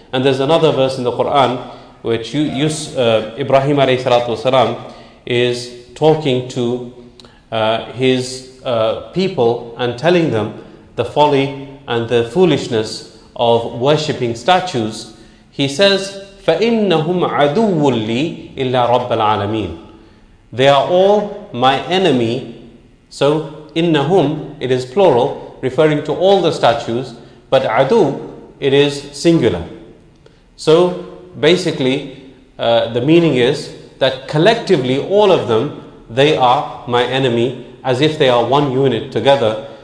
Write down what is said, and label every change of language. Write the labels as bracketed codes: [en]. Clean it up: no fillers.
[en] And there's another verse in the Quran which Ibrahim alayhi salatu wasalam is talking to his people and telling them the folly and the foolishness of worshipping statues. He says, [ar] فَإِنَّهُمْ عَدُوُّ لِي إِلَّا رَبَّ الْعَالَمِينَ. [en] They are all my enemy. So, إِنَّهُمْ, it is plural, referring to all the statues, but عَدُو, it is singular. So, basically, the meaning is that collectively, all of them, they are my enemy, as if they are one unit together.